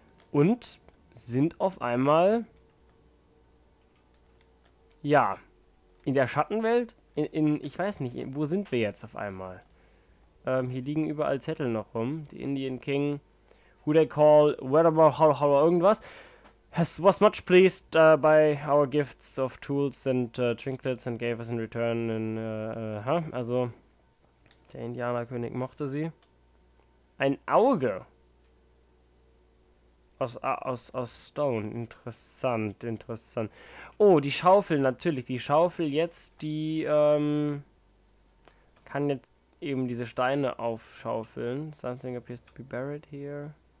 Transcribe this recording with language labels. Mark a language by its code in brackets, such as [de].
[de] Und sind auf einmal. Ja. In der Schattenwelt? Ich weiß nicht, wo sind wir jetzt auf einmal? Hier liegen überall Zettel noch rum. [en] Die Indian King. Who they call, whatever, how, irgendwas. Has was much pleased by our gifts of tools and trinkets and gave us in return. [de] Also, der Indianerkönig mochte sie. Ein Auge. Aus Stone. Interessant, interessant. Oh, die Schaufel, natürlich. Die Schaufel jetzt, die kann jetzt eben diese Steine aufschaufeln. [en] Something appears to be buried here.